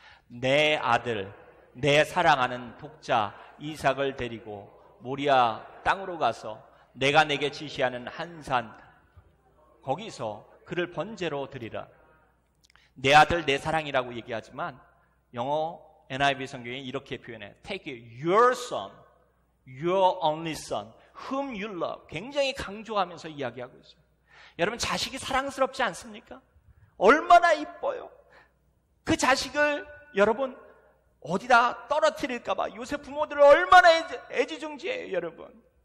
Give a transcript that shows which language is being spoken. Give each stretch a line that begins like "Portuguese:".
Korean: 내 아들, 내 사랑하는 독자 이삭을 데리고 모리아 땅으로 가서 내가 내게 지시하는 한 산 거기서 그를 번제로 드리라. 내 아들, 내 사랑이라고 얘기하지만 영어 NIV 성경에 이렇게 표현해.
English: Take your son, your only son, whom you love.
Korean: 굉장히 강조하면서 이야기하고 있어요. 여러분, 자식이 사랑스럽지 않습니까? 얼마나 이뻐요. 그 자식을 여러분 어디다 떨어뜨릴까봐 요새 부모들을 얼마나 애지중지해요, 여러분.